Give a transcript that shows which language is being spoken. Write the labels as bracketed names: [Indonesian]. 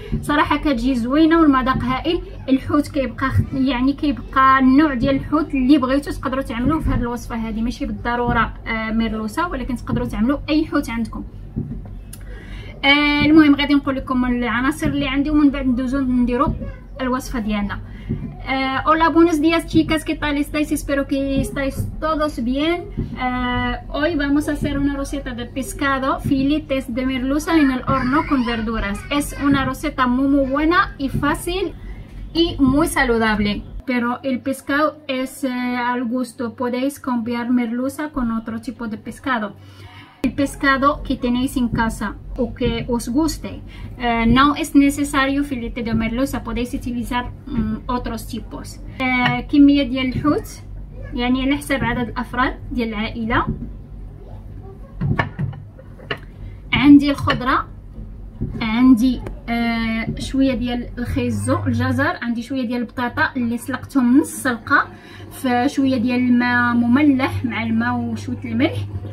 [Arabic] صراحه كتجي زوينه والمذاق هائل. الحوت كيبقى يعني كيبقى النوع ديال الحوت اللي بغيتو تقدروا تعملوه في هذه الوصفه هذه، ماشي بالضروره ميرلوسا، ولكن تقدروا تعملوا اي حوت عندكم. المهم غادي نقول لكم العناصر اللي عندي ومن بعد ندوزو نديرو الوصفه ديالنا. [Spanish] اولا بونوس دياس تشيكاس كي تال استايس، اسبيرو كي استايس تودوس بيان. اوي vamos a hacer una receta de pescado filetes de merluza en el horno con verduras. Es una receta muy muy buena y fácil y muy saludable. Pero el pescado es al gusto, podéis cambiar merluza con otro tipo de pescado. El pescado que tenéis en casa o que os guste, no es necesario filete de merluza, podéis utilizar otros tipos. [Arabic] كمية ديال الحوت يعني على حسب عدد الافراد ديال العائلة. عندي الخضرة، عندي شوية ديال الخيزو الجزر، عندي شوية ديال البطاطا اللي سلقتهم من السلقة، فشوية ديال الماء مملح مع الماء وشوية الملح.